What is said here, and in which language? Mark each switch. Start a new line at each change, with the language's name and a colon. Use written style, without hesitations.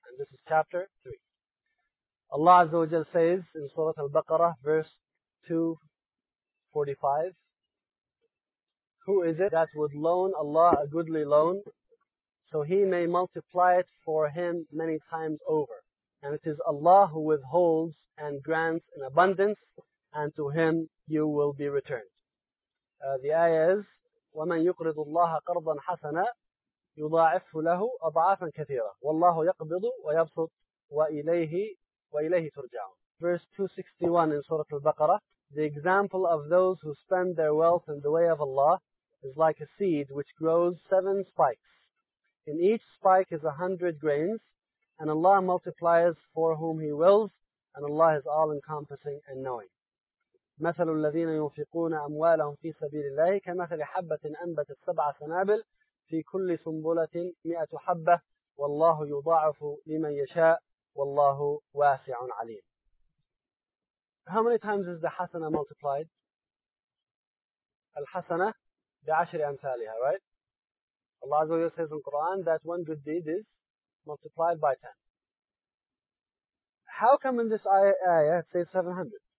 English: And this is chapter 3. Allah Azza wa Jal says in Surah Al-Baqarah, verse 245, who is it that would loan Allah a goodly loan, so He may multiply it for him many times over? And it is Allah who withholds and grants in abundance, and to Him you will be returned. The ayah is,
Arabic: وَمَنْ يُقْرِضُ اللَّهَ قَرْضًا حَسَنًا يُضَاعِفْهُ لَهُ أَضْعَافًا كَثِيرًا وَاللَّهُ يَقْبِضُ وَيَبْسُطُ وَإِلَيْهِ تُرْجَعُونَ.
English: Verse 261 in Surah Al-Baqarah, the example of those who spend their wealth in the way of Allah is like a seed which grows 7 spikes. In each spike is 100 grains, and Allah multiplies for whom He wills, and Allah is all-encompassing and knowing.
Arabic: مثل الذين ينفقون أموالهم في سبيل الله كمثل حبة أنبتت سبع سنابل في كل سنبلة 100 حبة والله يضاعف لمن يشاء والله واسع عليم.
English: How many times is the hasana multiplied? Al-hasana
Arabic: بعشر أمثالها,
English: right? Allah Azza wa Jalla says in Quran that one good deed is multiplied by 10. How come in this ayah it says 700?